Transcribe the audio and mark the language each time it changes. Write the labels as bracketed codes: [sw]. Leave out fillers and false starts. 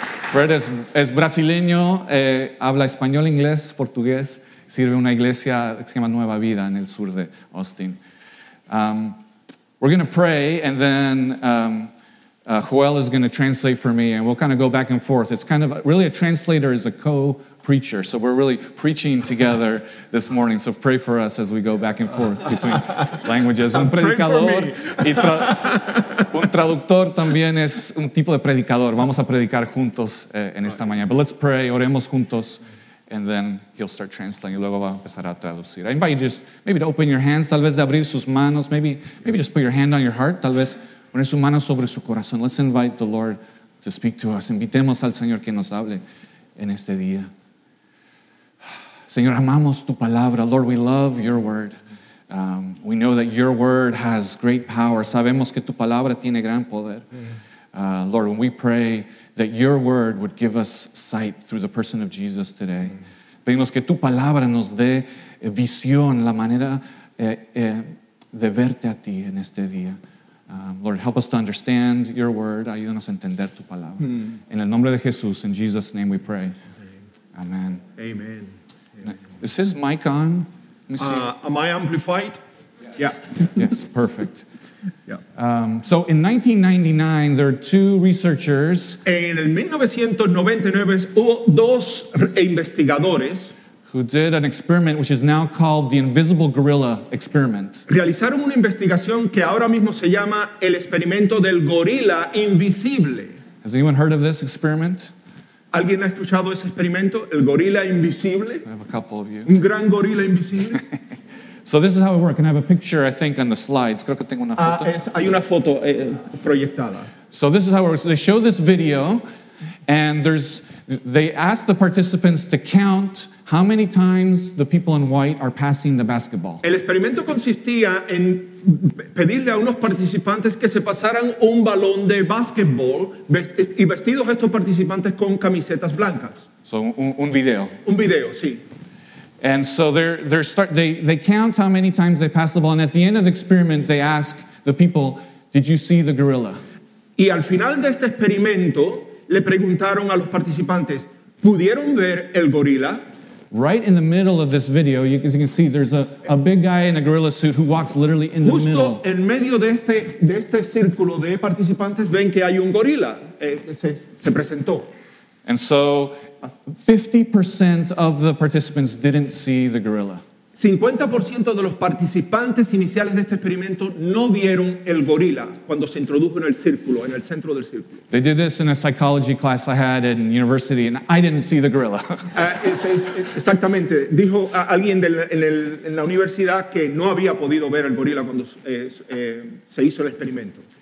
[es] Fred es brasileño, habla español, inglés, portugués, sirve una iglesia que se llama Nueva Vida en el sur de Austin. [en] We're going to pray, and then Joel is going to translate for me, and we'll kind of go back and forth. It's kind of really a translator is a co-preacher, so we're really preaching together this morning. So pray for us as we go back and forth between languages. [es] Un predicador y un traductor también es un tipo de predicador. Vamos a predicar juntos en esta mañana. [en] But let's pray, [es] oremos juntos, [en] and then he'll start translating. [es] Luego va a empezar a traducir. [en] I invite you just maybe to open your hands, [es] tal vez de abrir sus manos, [en] maybe just put your hand on your heart, [es] tal vez poner su mano sobre su corazón. [en] Let's invite the Lord to speak to us. [es] Invitemos al Señor que nos hable en este día. Señor, amamos tu palabra. [en] Lord, we love your word. We know that your word has great power. [es] Sabemos que tu palabra tiene gran poder. [en] Lord, when we pray that your word would give us sight through the person of Jesus today. [es] Pedimos que tu palabra nos dé visión, la manera de verte a ti en este día. [en] Lord, help us to understand your word. [es] Ayúdanos a entender tu palabra. En el nombre de Jesús, [en] in Jesus' name we pray. Amen. Amen. Is his mic on? Let me see. Am I amplified? Yes. Yeah. Yes, perfect. Yeah. So in 1999, there are two researchers. [es] En el 1999 hubo dos investigadores [en] who did an experiment which is now called the Invisible Gorilla Experiment. [es] Realizaron una investigación que ahora mismo se llama el experimento del gorila invisible. [en] Has anyone heard of this experiment? [es] ¿Alguien ha escuchado ese experimento, el gorila invisible? [en] I have a couple of you. [es] Un gran gorila invisible. [en] So this is how it works. And I have a picture, I think, on the slides. [es] Creo que tengo una foto. Hay una foto proyectada. [en] So this is how it works. They show this video, and they ask the participants to count how many times the people in white are passing the basketball. [es] El experimento consistía en pedirle a unos participantes que se pasaran un balón de basketball y vestidos estos participantes con camisetas blancas. So un video. Un video, sí. [en] And so they count how many times they pass the ball, and at the end of the experiment, they ask the people, "Did you see the gorilla?" [es] Y al final de este experimento, le preguntaron a los participantes, ¿pudieron ver el gorila? [en] Right in the middle of this video, you can see there's a big guy in a gorilla suit who walks literally in [es] justo [en] the middle. [es] Justo en medio de este círculo de participantes, ven que hay un gorila. Se presentó. [en] And so 50% of the participants didn't see the gorilla. [es] 50% de los participantes iniciales de este experimento no vieron el gorila cuando se introdujo en el círculo, en el centro del círculo. [en] They did this in a psychology class I had in university, and I didn't see the gorilla. [es] Exactamente. Dijo alguien en la universidad que no había podido ver el gorila cuando se hizo el experimento.